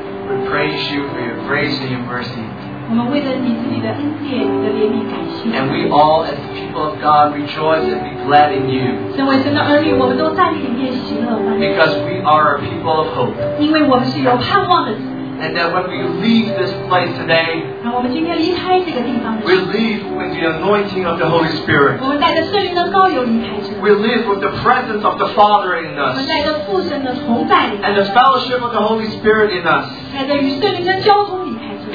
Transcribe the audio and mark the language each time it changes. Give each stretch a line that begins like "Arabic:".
English: We praise you for your grace and your mercy.
Chinese: 我们为了你自己的恩典，你的怜悯感谢。
English: And we all, as the people of God, rejoice and be glad in you.
Chinese: 身为神的儿女，我们都在你里面喜乐欢喜。
English: Because we are a people of hope.
Chinese: 因为我们是有盼望的子。
English: And that when we leave this place today, we leave with the anointing of the Holy Spirit. We leave with the presence of the Father in us. And the fellowship of the Holy Spirit in us.